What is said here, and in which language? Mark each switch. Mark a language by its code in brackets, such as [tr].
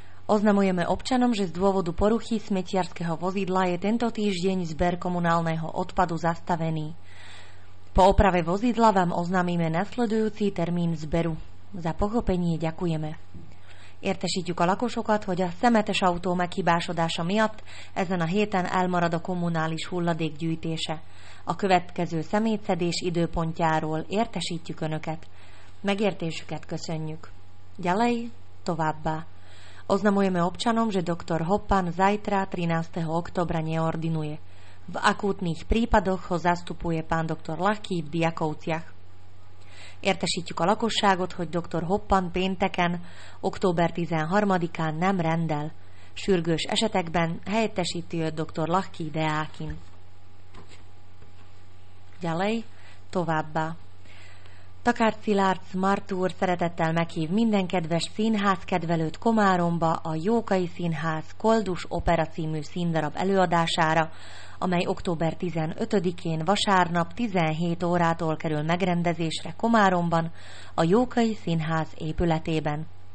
[sk] Oznamujeme občanom, že z dôvodu poruchy smetiarského vozidla je tento týždeň zber komunálneho odpadu zastavený. Po oprave vozidla vám oznámime nasledujúci termín zberu. Za pochopenie ďakujeme. [hu] Értesítjük a lakosokat, hogy a szemetes autó meghibásodása miatt ezen a héten elmarad a kommunális hulladék gyűjtése. A következő szemétszedés időpontjáról értesítjük Önöket. Megértésüket köszönjük. [sk] Ďalej, [hu] továbbá. [sk] Oznamujeme občanom, že dr. Hoppan zajtra 13. októbra neordinuje. V akútnych prípadoch ho zastupuje pán dr. Lachy v Diakovciach. [hu] Értesítjük a lakosságot, hogy dr. Hoppan pénteken, október 13-án nem rendel. Sürgős esetekben helyettesíti őt dr. Lachy Deákin. [sk] Ďalej, [hu] továbbá. Takár Szilárd Smart úr szeretettel meghív minden kedves színház kedvelőt Komáromba a Jókai Színház Koldus Opera című színdarab előadására, amely október 15-én vasárnap 17 órától kerül megrendezésre Komáromban a Jókai Színház épületében.